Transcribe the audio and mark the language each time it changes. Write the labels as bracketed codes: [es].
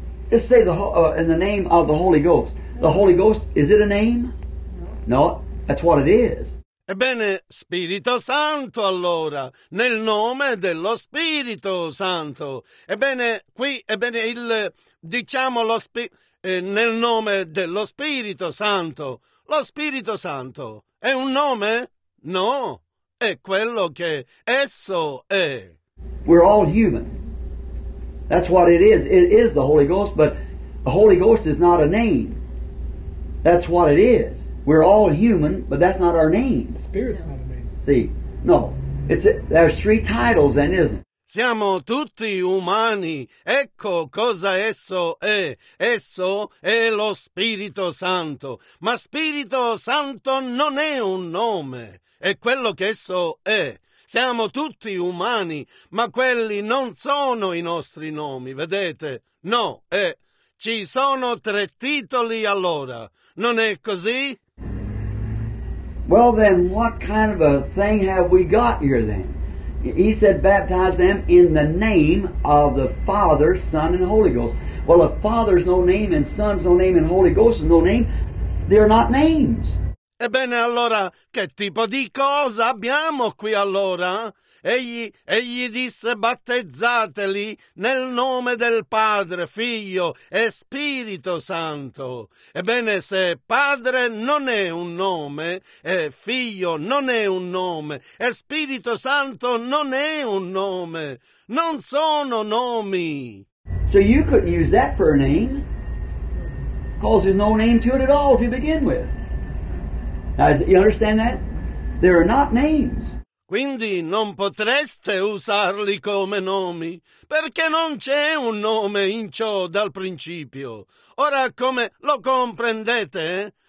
[en] Let's say the in the name of the Holy Ghost. The Holy Ghost, is it a name? No, that's what it is. [it] Ebbene, Spirito Santo allora, nel nome dello Spirito Santo. Ebbene, qui, ebbene, il, diciamo, lo nel nome dello Spirito Santo. Lo Spirito Santo è un nome? No, è quello che esso è. [en] We're all human. That's what it is. It is the Holy Ghost, but the Holy Ghost is not a name. That's what it is. We're all human, but that's not our name. Spirit's not a name. See, no. There's three titles then, isn't it? [it] Siamo tutti umani. Ecco cosa esso è. Esso è lo Spirito Santo. Ma Spirito Santo non è un nome. È quello che esso è. Siamo tutti umani, ma quelli non sono i nostri nomi, vedete? No, ci sono tre titoli allora. Non è così? [en] Well then, what kind of a thing have we got here then? He said, baptize them in the name of the Father, Son, and Holy Ghost. Well, if Father's no name, and Son's no name, and Holy Ghost is no name, they're not names. [it] Ebbene, allora, che tipo di cosa abbiamo qui allora? Egli disse, battezzateli nel nome del Padre, Figlio e Spirito Santo. Ebbene, se Padre non è un nome, e Figlio non è un nome, e Spirito Santo non è un nome, non sono nomi. [en] So you couldn't use that for a name, because there's no name to it at all to begin with. Now, you understand that? There are not names. [it] Quindi non potreste usarli come nomi, perché non c'è un nome in ciò dal principio. Ora come lo comprendete?